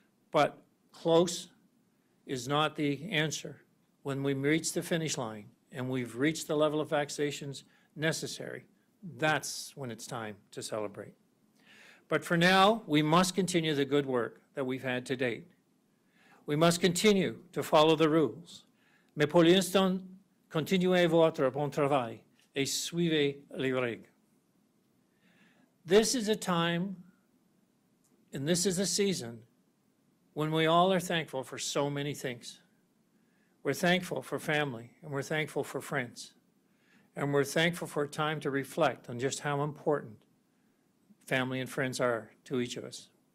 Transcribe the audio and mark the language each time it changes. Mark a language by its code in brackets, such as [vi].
[en] But close is not the answer. When we reach the finish line and we've reached the level of vaccinations necessary, that's when it's time to celebrate. But for now, we must continue the good work that we've had to date. We must continue to follow the rules. [fr] Mais pour l'instant, continuez votre bon travail et suivez les règles. [en] This is a time and this is a season when we all are thankful for so many things. We're thankful for family, and we're thankful for friends, and we're thankful for a time to reflect on just how important family and friends are to each of us.